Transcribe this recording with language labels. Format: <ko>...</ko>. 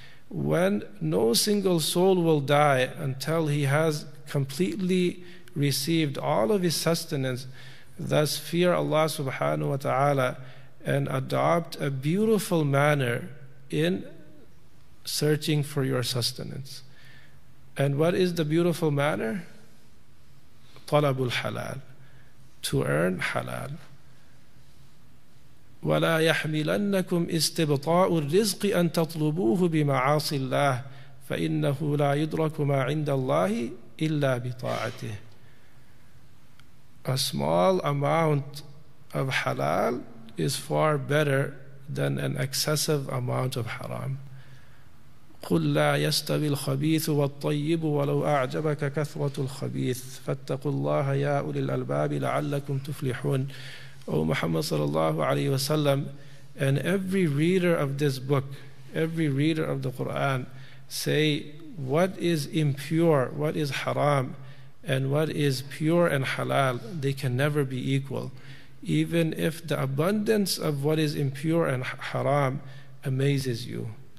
<en>When no single soul will die until he has completely received all of his sustenance, thus fear Allah subhanahu wa ta'ala and adopt a beautiful manner in searching for your sustenance. And what is the beautiful manner? Talabul halal, to earn halal.</en> <ar>ولا يحملنكم استبطاء الرزق أن تطلبوه بمعاصي الله فإنه لا يدرك ما عند الله إلا بطاعته.</ar> <en>A small amount of halal is far better than an excessive amount of haram.</en> <ar>قل لا يستوي الخبيث والطيب ولو أعجبك كثرة الخبيث فاتقوا الله يا أولي الألباب لعلكم تفلحون.</ar> <en>O Muhammad sallallahu alayhi wa sallam, and every reader of this book, every reader of the Quran, say what is impure, what is haram, and what is pure and halal, they can never be equal. Even if the abundance of what is impure and haram amazes you.</en>